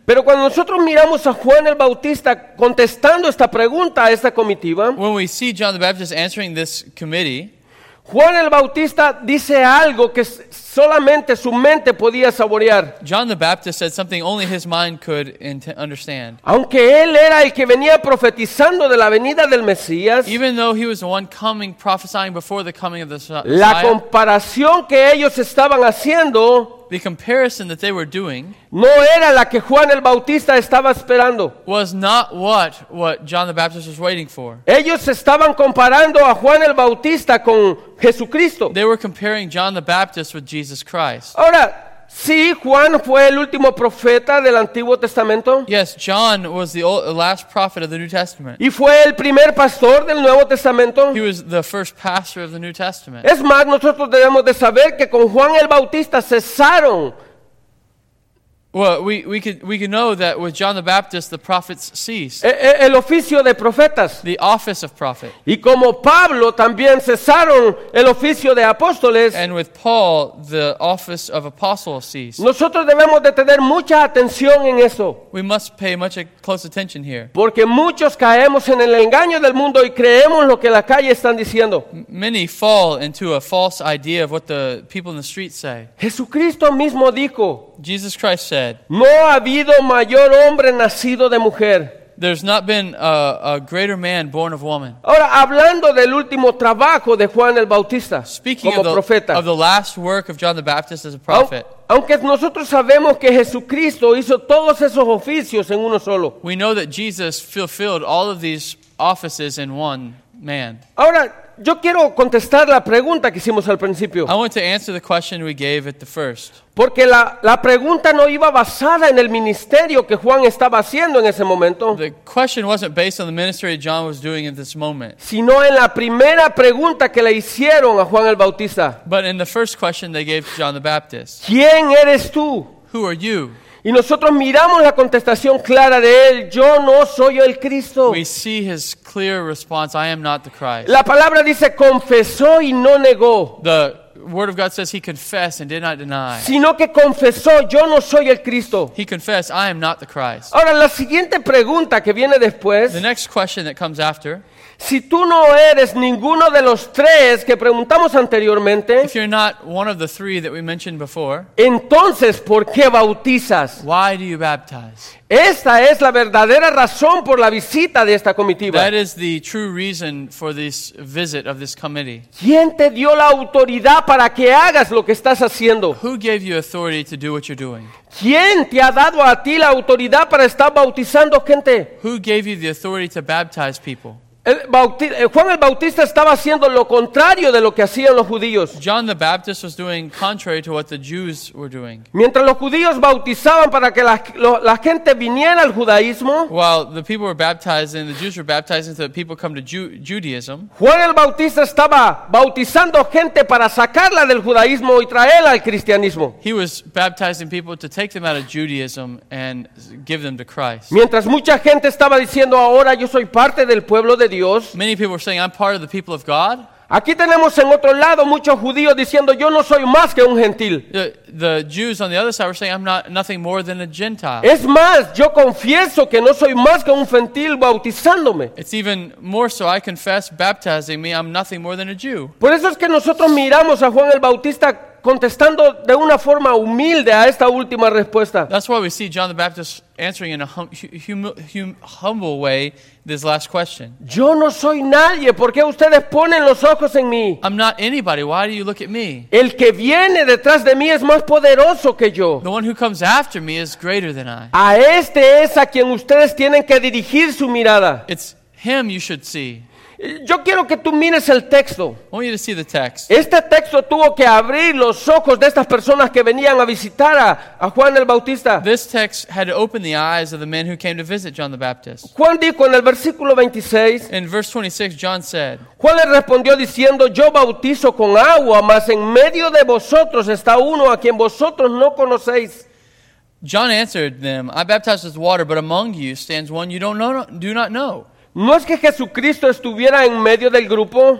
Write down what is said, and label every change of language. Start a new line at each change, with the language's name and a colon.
Spanish: Pero cuando nosotros miramos a Juan el Bautista contestando esta pregunta a esta comitiva,
English: when we see John the Baptist answering this committee,
Spanish: Juan el Bautista dice algo que solamente su mente podía saborear.
English: John the Baptist said something only his mind could understand.
Spanish: Aunque él era el que venía profetizando de la venida del Mesías,
English: even though he was the one coming prophesying before the coming of the Messiah,
Spanish: la comparación que ellos estaban haciendo,
English: the comparison that they were doing,
Spanish: no era la que Juan el Bautista estaba esperando.
English: Was not what John the Baptist was waiting for.
Spanish: Ellos estaban comparando a Juan el Bautista con Jesucristo.
English: They were comparing John the Baptist with Jesus Christ.
Spanish: Ahora, sí, Juan fue el último profeta del Antiguo Testamento.
English: Yes, John was the last prophet of the New Testament.
Spanish: Y fue el primer pastor del Nuevo Testamento.
English: He was the first pastor of the New Testament.
Spanish: Es más, nosotros debemos de saber que con Juan el Bautista cesaron.
English: Well, we can know that with John the Baptist the prophets ceased.
Spanish: El oficio de profetas.
English: The office of prophet.
Spanish: Y como Pablo también cesaron el oficio de apóstoles.
English: And with Paul the office of apostle ceased.
Spanish: Nosotros debemos de tener mucha atención en eso.
English: We must pay much close attention here.
Spanish: Porque muchos caemos en el engaño del mundo y creemos lo que la calle están diciendo.
English: Many fall into a false idea of what the people in the street say.
Spanish: Jesucristo mismo dijo.
English: Jesus Christ said,
Spanish: no ha habido mayor hombre nacido de mujer.
English: There's not been a greater man born of woman.
Spanish: Ahora, hablando del último trabajo de Juan el Bautista,
English: speaking
Spanish: como profeta,
English: of the last work of John the Baptist as a prophet.
Spanish: Aunque nosotros sabemos que Jesucristo hizo todos esos oficios en uno solo.
English: We know that Jesus fulfilled all of these offices in one man.
Spanish: Ahora, yo quiero contestar la pregunta que hicimos al principio.
English: I want to answer the question we gave at the first.
Spanish: Porque la pregunta no iba basada en el ministerio que Juan estaba haciendo en ese momento.
English: The question wasn't based on the ministry John was doing at this moment.
Spanish: Sino en la primera pregunta que le hicieron a Juan el Bautista.
English: But in the first question they gave to John the Baptist.
Spanish: ¿Quién eres tú?
English: Who are you?
Spanish: Y nosotros miramos la contestación clara de él. Yo no soy el Cristo.
English: We see his clear response. I am not the Christ.
Spanish: La palabra dice confesó y no negó.
English: The word of God says he confessed and did not deny.
Spanish: Sino que confesó. Yo no soy el Cristo.
English: He confessed. I am not the Christ.
Spanish: Ahora la siguiente pregunta que viene después.
English: The next question that comes after.
Spanish: Si tú no eres ninguno de los tres que preguntamos anteriormente,
English: if you're not one of the three that we mentioned before,
Spanish: entonces, ¿por qué bautizas?
English: Why do you baptize?
Spanish: Esta es la verdadera razón por la visita de esta comitiva.
English: That is the true reason for this visit of this committee.
Spanish: ¿Quién te dio la autoridad para que hagas lo que estás haciendo?
English: Who gave you authority to do what you're doing?
Spanish: ¿Quién te ha dado a ti la autoridad para estar bautizando gente?
English: Who gave you the authority to baptize people?
Spanish: Juan el Bautista estaba haciendo lo contrario de lo que hacían los judíos.
English: John the Baptist was doing contrary to what the Jews were doing.
Spanish: Mientras los judíos bautizaban para que la gente viniera al judaísmo,
English: while the people were baptizing, the Jews were baptizing so that people come to Judaism.
Spanish: Juan el Bautista estaba bautizando gente para sacarla del judaísmo y traerla al cristianismo.
English: He was baptizing people to take them out of Judaism and give them to Christ.
Spanish: Mientras mucha gente estaba diciendo, ahora yo soy parte del pueblo de Dios.
English: Many people were saying, I'm part of the people of God.
Spanish: Aquí tenemos en otro lado muchos judíos diciendo, yo no soy más que un gentil.
English: The Jews on the other side were saying, I'm nothing more than a Gentile.
Spanish: Es más, yo confieso que no soy más que un gentil bautizándome.
English: It's even more so, I confess, baptizing me, I'm nothing more than a Jew.
Spanish: Por eso es que nosotros miramos a Juan el Bautista contestando de una forma humilde a esta última respuesta.
English: That's why we see John the Baptist answering in a humble way this last question.
Spanish: Yo no soy nadie. ¿Por qué ustedes ponen los ojos en mí?
English: I'm not anybody. Why do you look at me?
Spanish: El que viene detrás de mí es más poderoso que yo.
English: The one who comes after me is greater than I.
Spanish: A este es a quien ustedes tienen que dirigir su mirada.
English: It's him you should see.
Spanish: Yo quiero que tú mires el texto.
English: I want you to see the text.
Spanish: Este texto tuvo que abrir los ojos de estas personas que venían a visitar a Juan el Bautista.
English: This text had to open the eyes of the men who came to visit John the Baptist.
Spanish: Juan dijo en el versículo 26.
English: In verse 26, John said.
Spanish: Juan le respondió diciendo, yo bautizo con agua, mas en medio de vosotros está uno a quien vosotros no conocéis.
English: John answered them, I baptize with water, but among you stands one you don't know, do not know.
Spanish: No es que Jesucristo estuviera en medio del grupo.